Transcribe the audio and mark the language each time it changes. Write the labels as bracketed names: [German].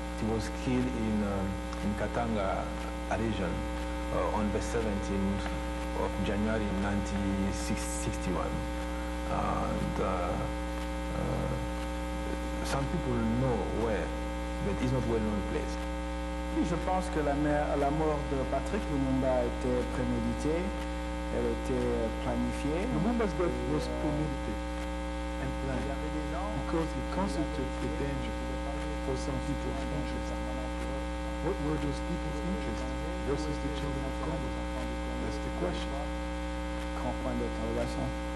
[English] He was killed in Katanga region on the 17th of January 1961. Some people know where, but it's not a well-known place. [French] Oui, je pense que la mort de Patrick Lumumba était préméditée. Elle était planifiée. [English] Lumumba's death was premeditated and planned because he constituted the danger for some people's interests. What were those people's interests versus the children of Congo? That's the question. [French] Comprends l'interrogation?